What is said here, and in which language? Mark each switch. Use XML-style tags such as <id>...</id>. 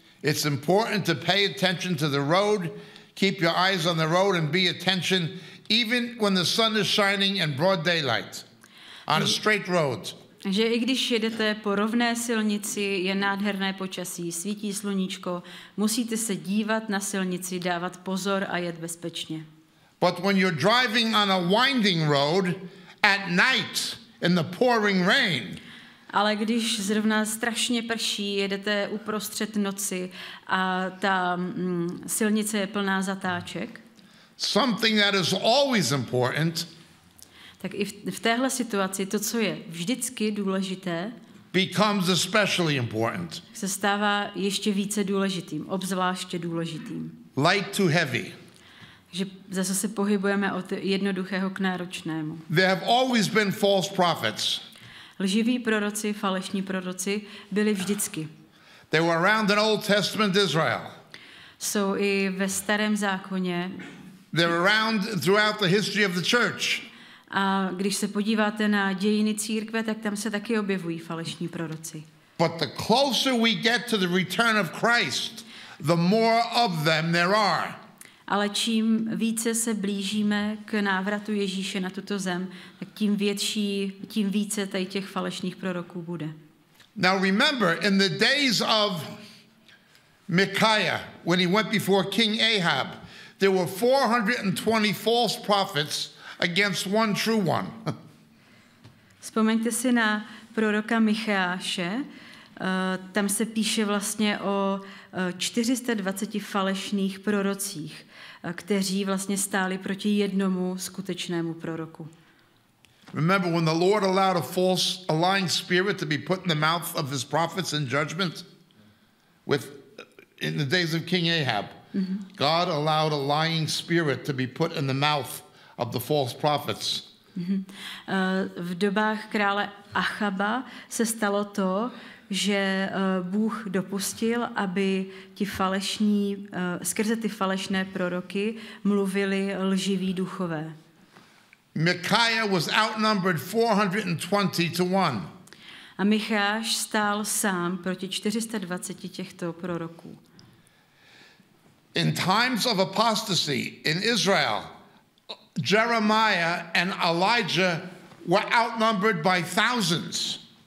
<en>It's important to pay attention to the road, keep your eyes on the road and be attention even when the sun is shining in broad daylight on a straight road.</en> <cs>Že i když jedete po rovné silnici, je nádherné počasí, svítí sluníčko, musíte se dívat na silnici, dávat pozor a jet bezpečně.</cs> <en>But when you're driving on a winding road at night in the pouring rain.</en> <cs>Ale když zrovna strašně prší, jedete uprostřed noci a ta silnice je plná zatáček.</cs> <en>Something that is always important.</en> <cs>Tak i v téhle situaci to, co je vždycky důležité,</cs> <en>becomes especially important.</en> <cs>Se stává ještě více důležitým, obzvláště důležitým.</cs> <en>Light to heavy.</en> <cs>Že zase se pohybujeme od jednoduchého k náročnému.</cs> <en>There have always been false prophets.</en> <cs>Lživí proroci, falešní proroci byli vždycky.</cs> <en>They were around in Old Testament Israel.</en> <cs>Jsou i ve Starém zákoně.</cs> <en>They're around throughout the history of the church.</en> <cs>A když se podíváte na dějiny církve, tak tam se taky objevují falešní proroci.</cs> <en>But the closer we get to the return of Christ, the more of them there are.</en> <cs>Ale čím více se blížíme k návratu Ježíše na tuto zem, tak tím více tady těch falešných proroků bude.</cs> <en>Now remember, in the days of Micaiah, when he went before King Ahab, there were 420 false prophets against one true one.</en> <cs>Vzpomeňte si na proroka Micheáše. Tam se píše vlastně o 420 falešných prorocích, kteří vlastně stáli proti jednomu skutečnému proroku.</cs> <en>Remember when the Lord allowed a false, a lying spirit to be put in the mouth of his prophets in judgment with in the days of King Ahab. Mm-hmm. God allowed a lying spirit to be put in the mouth of the false prophets.</en> <cs>V dobách krále Achaba se stalo to, že Bůh dopustil, aby ti falešní, skrze ty falešné proroky mluvili lživí duchové.</cs> <en>Micaiah was outnumbered 420 to 1.</en> <cs>A Micháš stál sám proti 420 těchto proroků.</cs> <en>In times of apostasy in Israel, Jeremiah and Elijah were outnumbered by thousands.</en>